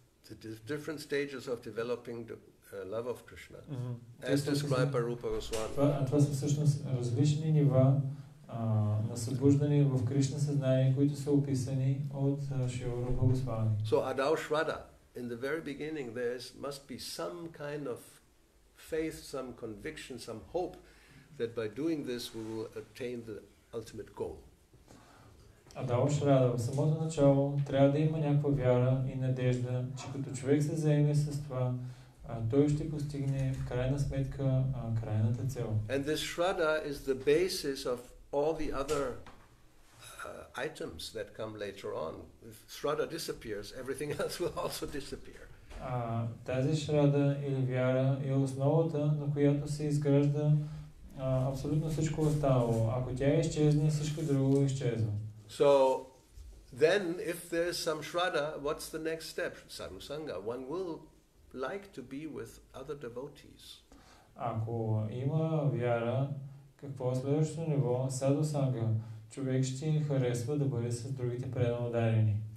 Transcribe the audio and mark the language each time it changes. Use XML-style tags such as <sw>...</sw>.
<en>The different stages of developing the love of Krishna, as described by Rupa Goswami.</en> <bg>Това са всъщност различни нива на събуждане в Кришна съзнание, които са описани от Шрила Рупа Госвами.</bg> <en>So Adau Shraddha, in the very beginning, there is, must be some kind of faith, some conviction, some hope that by doing this we will attain the ultimate goal.</en> <bg>Адау Шрада, в самото начало трябва да има някаква вяра и надежда, че като човек се заеме с това, той ще постигне в крайна сметка крайната цел.</bg> <en>And this Shraddha is the basis of all the other items that come later on. If Shraddha disappears, everything else will also disappear.</en> <bg>Тази Шрада или вяра е основата, на която се изгражда абсолютно всичко останало. Ако тя изчезне, всичко друго изчезва.</bg> <en>So then if there's some shraddha, what's the next step? Sadhu sangha. One will like to be with other devotees.</en> <bg>Ако има вяра, какво е следващото ниво?</bg> <sa>Sadhu sangha.</sa> <bg>Човек ще харесва да бъде с другите предаводарени.</bg>